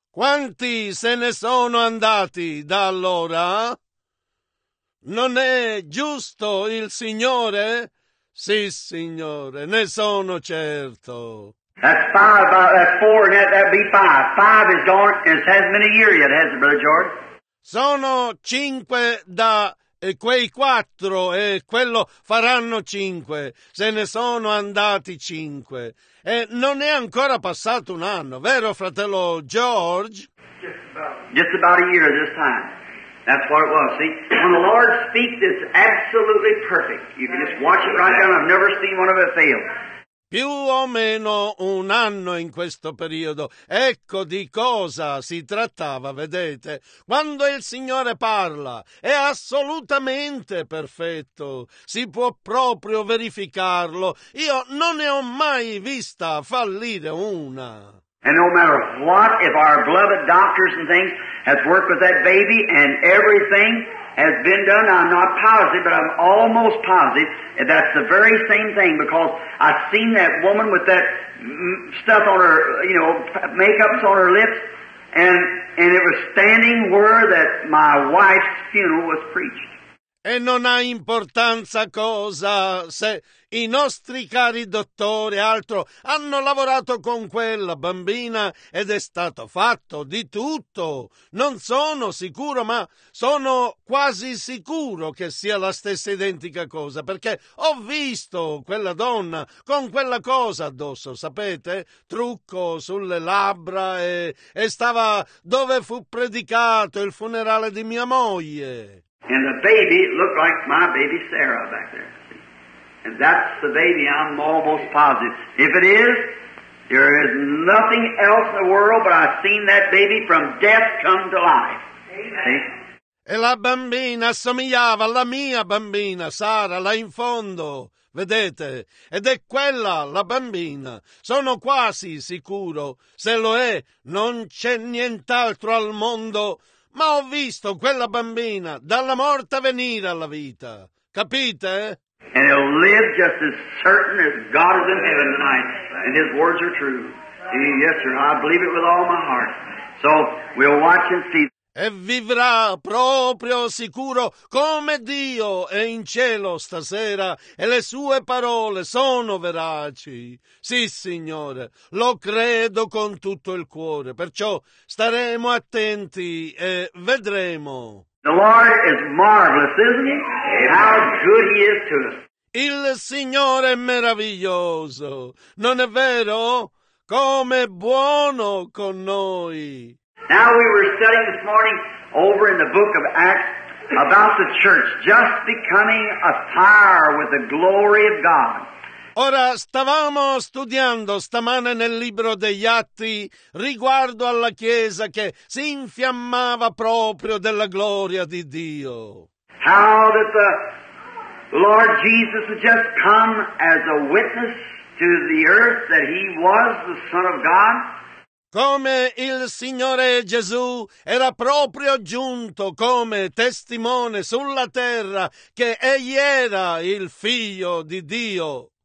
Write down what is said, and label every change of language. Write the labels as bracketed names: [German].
[Italian] Quanti se ne sono andati da allora? Non è giusto il Signore? Sì, Signore, ne sono certo. [English] That's five, about that four, and that'd be five. Five is gone, and it hasn't been a year yet, has it, Brother George? [Italian] Sono cinque da, e quei quattro, e quello faranno cinque. Se ne sono andati cinque. E non è ancora passato un anno, vero, fratello George? [English] Just about a year this time. That's what it was. See, when the Lord speaks, it's absolutely perfect. You can just watch it right down. I've never seen one of it fail. [Italian] Più o meno un anno in questo periodo. Ecco di cosa si trattava, vedete? Quando il Signore parla, è assolutamente perfetto. Si può proprio verificarlo. Io non ne ho mai vista fallire una. [English] And no matter what, if our beloved doctors and things have worked with that baby and everything has been done, I'm not positive, but I'm almost positive, and that's the very same thing, because I've seen that woman with that stuff on her, you know, makeup's on her lips, and it was standing where that my wife's funeral was preached. [Italian] E non ha importanza cosa, se i nostri cari dottori e altro hanno lavorato con quella bambina ed è stato fatto di tutto. Non sono sicuro, ma sono quasi sicuro che sia la stessa identica cosa, perché ho visto quella donna con quella cosa addosso, sapete? Trucco sulle labbra e stava dove fu predicato il funerale di mia moglie. [English] And the baby looked like my baby Sarah back there. And that's the baby, I'm almost positive. If it is, there is nothing else in the world, but I've seen that baby from death come to life. Amen. [Italian] E la bambina assomigliava alla mia bambina, Sara, là in fondo, vedete? Ed è quella la bambina. Sono quasi sicuro. Se lo è, non c'è nient'altro al mondo. Ma ho visto quella bambina dalla morte venire alla vita. Capite? [English] And he'll live just as certain as God is in heaven tonight. And his words are true. Yes, sir, I believe it with all my heart. So we'll watch and see. [Italian] E vivrà proprio sicuro come Dio è in cielo stasera e le sue parole sono veraci. Sì, Signore, lo credo con tutto il cuore, perciò staremo attenti e vedremo. [English] The Lord is marvelous, isn't he? How good he is to us. [Italian] Il Signore è meraviglioso, non è vero? Come buono con noi. [English] Now we were studying this morning over in the book of Acts about the church just becoming a fire with the glory of God. [Italian] Ora stavamo studiando stamane nel libro degli Atti riguardo alla chiesa che si infiammava proprio della gloria di Dio. [English] How that the Lord Jesus had just come as a witness to the earth that he was the Son of God. [Italian] Come il Signore Gesù era proprio giunto come testimone sulla terra che egli era il Figlio di Dio.